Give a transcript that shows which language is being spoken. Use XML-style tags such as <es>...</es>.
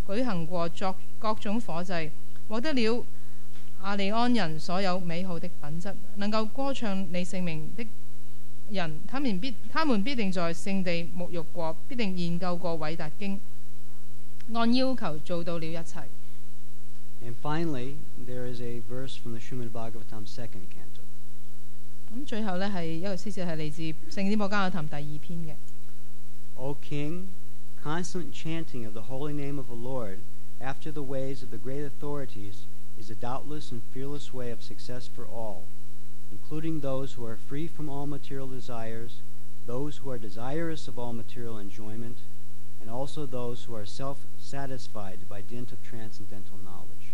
<zh>譯文是用舌頭歌唱你姓名那些人是有多光榮啊！這樣的人，哪怕是生在吃狗肉的家庭中，都是值得敬重的。念誦你姓上姓名的人，必然從事過所有種類的苦修，舉行過各種火祭。獲得了阿利安人所有美好的品質，能夠歌唱你姓名的人，他們必定在聖地沐浴過，必定研究過偉達經，按要求做到了一切。</zh> <en>And finally, there is a verse from the Srimad Bhagavatam second canto.</en> <zh>最後是一個詩節，是來自聖典博加塔談第二篇的。</zh> <en>O King, constant chanting of the holy name of the Lord after the ways of the great authorities is a doubtless and fearless way of success for all, including those who are free from all material desires, those who are desirous of all material enjoyment, and also those who are self-satisfied by dint of transcendental knowledge.</en>